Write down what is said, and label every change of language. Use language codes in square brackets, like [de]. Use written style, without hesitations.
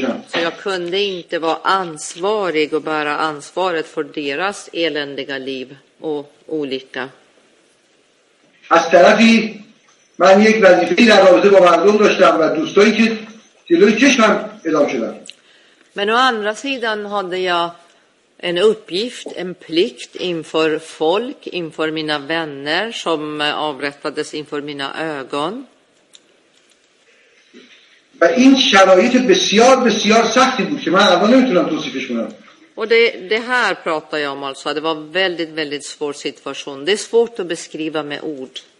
[sv] Så jag kunde inte vara ansvarig och bära ansvaret för deras eländiga liv. Och olika. [fa] از طرفی من یک وظیفه‌ای در رابطه با مردم داشتم و دوستایی که جلوی چشمم ادام شدن. [sv] Men å andra sidan hade jag en uppgift, en plikt inför folk, inför mina vänner som avrättades inför mina ögon. [fa] و این شرایط بسیار بسیار سختی بود که من اول نمیتونم توصیفش کنم. [sv] Och det här pratar jag om alltså. Det var en väldigt, väldigt svår situation. Det är svårt att beskriva med ord.